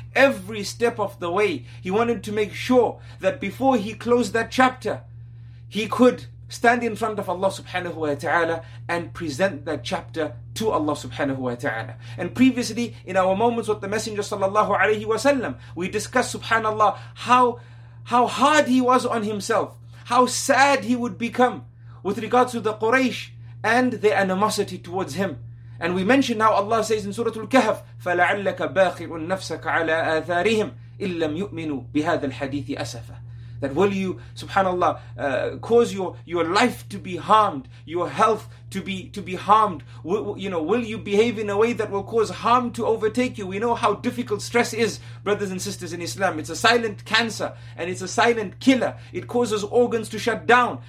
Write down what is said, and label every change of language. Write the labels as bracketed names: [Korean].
[English] Every step of the way, he wanted to make sure that before he closed that chapter, he could stand in front of Allah subhanahu wa ta'ala and present that chapter to Allah subhanahu wa ta'ala. And previously, in our moments with the Messenger sallallahu alayhi wa sallam, we discussed, subhanallah, how hard he was on himself, how sad he would become with regards to the Quraysh and their animosity towards him. And we mentioned how Allah says in Surah Al-Kahf, [Arabic] فَلَعَلَّكَ بَاخِعُ نَفْسَكَ عَلَىٰ آثَارِهِمْ إِن لَّمْ يُؤْمِنُوا بِهَذَا الْحَدِيثِ أَسَفًا. [English] That will you, subhanallah, cause your life to be harmed, your health to be harmed? Will you behave in a way that will cause harm to overtake you? We know how difficult stress is, brothers and sisters in Islam. It's a silent cancer and it's a silent killer. It causes organs to shut down.